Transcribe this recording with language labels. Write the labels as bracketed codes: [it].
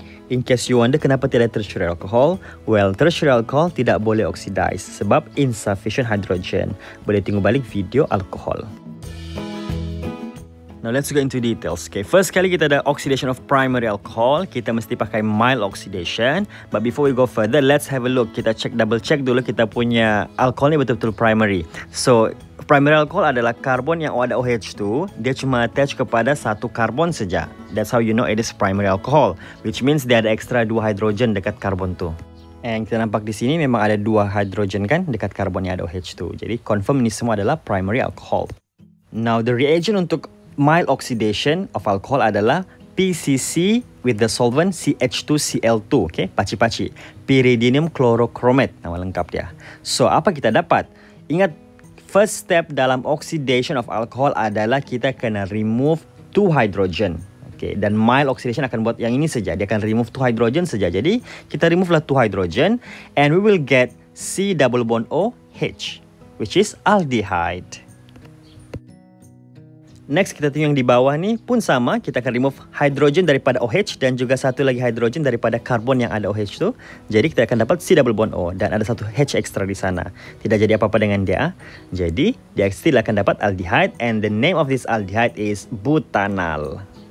[en] In case you wonder [ms] kenapa tidak [en] tertiary alcohol, well, tertiary alcohol [ms] tidak boleh [en] oxidize sebab insufficient hydrogen. [ms] Boleh tengok balik video alcohol. [en] Now let's go into details. Okay, [ms] first kali kita ada [en] oxidation of primary alcohol, [ms] kita mesti pakai [en] mild oxidation. But before we go further, let's have a look. [ms] Kita check, double check dulu kita punya alcohol ni betul-betul primary. So primary alcohol adalah karbon yang ada OH2, dia cuma attach kepada satu karbon saja. [en] That's how you know it is primary alcohol, which means [ms] dia ada extra 2 hydrogen dekat karbon tu. And kita nampak di sini memang ada 2 hydrogen kan dekat karbon yang ada OH2. Jadi confirm ini semua adalah primary alcohol. [en] Now the reagent [ms] untuk [en] mild oxidation of alcohol [ms] adalah [en] PCC with the solvent CH2Cl2, okay? Paci-paci. [ms] Pyridinium chlorochromate, nama lengkap dia. So apa kita dapat? Ingat, first step dalam oxidation of alcohol adalah kita kena remove 2 hydrogen. Okay, dan mild oxidation akan buat yang ini saja. Dia akan remove 2 hydrogen saja. Jadi, kita remove lah 2 hydrogen. [en] And we will get C double bond OH, which is aldehyde. [ms] Next, kita tengok yang di bawah ni pun sama. Kita akan remove hydrogen daripada OH dan juga satu lagi hydrogen daripada karbon yang ada OH tu. Jadi, kita akan dapat C double bond O dan ada satu H extra di sana. Tidak jadi apa-apa dengan dia. Jadi, dia still akan dapat aldehyde [en] and the name of this aldehyde is butanal.